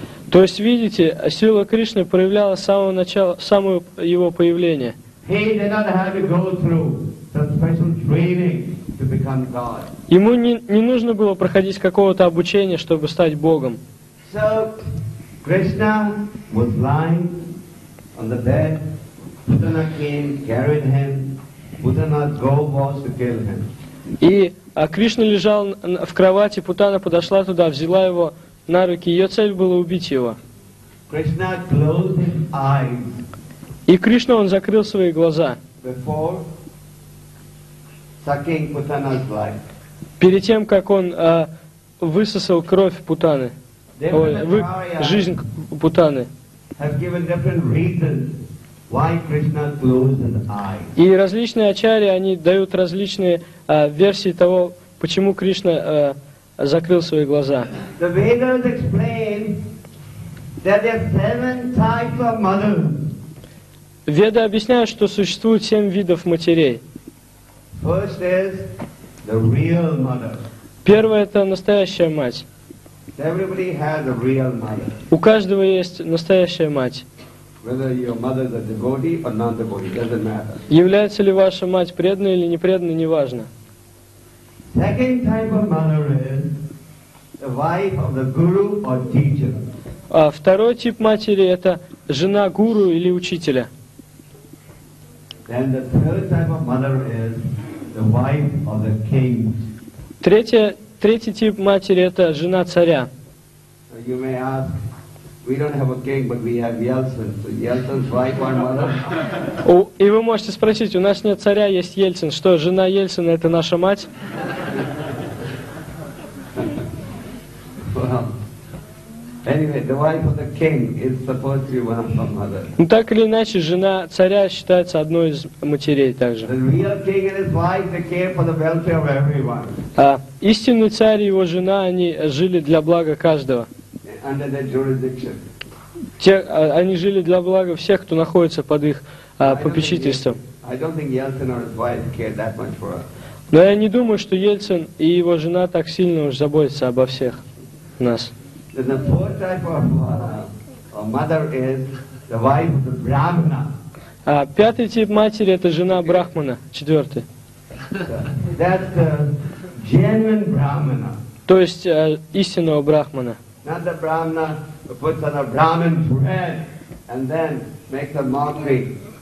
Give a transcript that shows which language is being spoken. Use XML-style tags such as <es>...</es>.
<ru>То есть, видите, сила Кришны проявляла с самого начала, с самого его появления.</ru> <en>He did not have to go through some special training.</en> <ru>Ему не нужно было проходить какого-то обучения, чтобы стать Богом.</ru> <en>So, Krishna was lying on the bed. Putana came, carried him. Putana's goal was to kill him.</en> <ru>И Кришна лежал в кровати, Путана подошла туда, взяла его на руки. Ее цель была убить его.</ru> <en>Krishna closed his eyes.</en> <ru>И Кришна, он закрыл свои глаза.</ru> <en>Before sucking Putana's life.</en> <ru>Перед тем, как он высосал кровь Путаны, жизнь Путаны.</ru> <en>Have given different reasons why Krishna closed his eyes.</en> <ru>И различные ачарьи, они дают различные версии того, почему Кришна закрыл свои глаза.</ru> <en>The Vedas explain that there are 7 types of mothers.</en> <ru>Веды объясняют, что существует 7 видов матерей.</ru> <en>First is the real mother.</en> <ru>Первая — это настоящая мать.</ru> <en>Everybody has a real mother.</en> <ru>У каждого есть настоящая мать.</ru> <en>Whether your mother is a devotee or non-devotee, doesn't matter.</en> <ru>Является ли ваша мать преданной или непреданной, неважно.</ru> <en>Second type of mother is the wife of the guru or teacher.</en> <ru>А второй тип матери — это жена гуру или учителя.</ru> <en>Then the third type of mother is the wife of the king.</en> <ru>Третий тип матери — это жена царя.</ru> <en>You may ask, we don't have a king, but we have Yeltsin. So Yeltsin's wife or mother?</en> <ru>И вы можете спросить: у нас нет царя, есть Ельцин. Что, жена Ельцина — это наша мать?</ru> <en>Well, anyway, the wife of the king is supposed to be one of the mother.</en> <ru>Ну так или иначе, жена царя считается одной из матерей также.</ru> <en>The real king and his wife, they care for the welfare of everyone.</en> <ru>А истинный царь и его жена, они жили для блага каждого.</ru> <en>Under their jurisdiction.</en> <ru>Они жили для блага всех, кто находится под их попечительством.</ru> <en>I don't think Yeltsin or his wife cared that much for us.</en> <ru>Но я не думаю, что Ельцин и его жена так сильно уж заботятся обо всех нас.</ru> <en>The fourth type of mother is the wife of the Brahmana.</en> <ru>А пятый тип матери — это жена Брахмана, четвертый.</ru> <en>That's the genuine Brahmana.</en> <ru>То есть истинного Брахмана.</ru> <en>Not the Brahmana who puts on a Brahmin dress and then makes a mockery.</en>